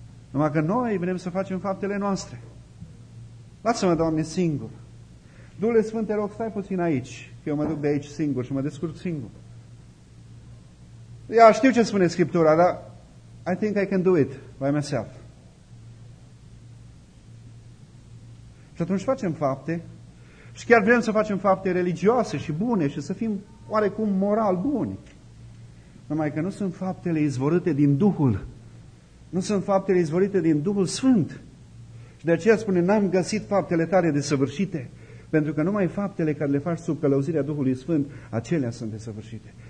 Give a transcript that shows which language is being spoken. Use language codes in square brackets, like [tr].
[ro] Numai că noi vrem să facem faptele noastre. Lasă-mă, Doamne, singur. Duhule Sfânt, te rog, stai puțin aici, că eu mă duc de aici singur și mă descurc singur. Ia, știu ce spune Scriptura, dar [en] I think I can do it by myself. [ro] Și atunci facem fapte și chiar vrem să facem fapte religioase și bune și să fim oarecum moral buni. Numai că nu sunt faptele izvorâte din Duhul. Nu sunt faptele izvorâte din Duhul Sfânt. Și de aceea spune, n-am găsit faptele tale desăvârșite. Pentru că numai faptele care le faci sub călăuzirea Duhului Sfânt, acelea sunt desăvârșite.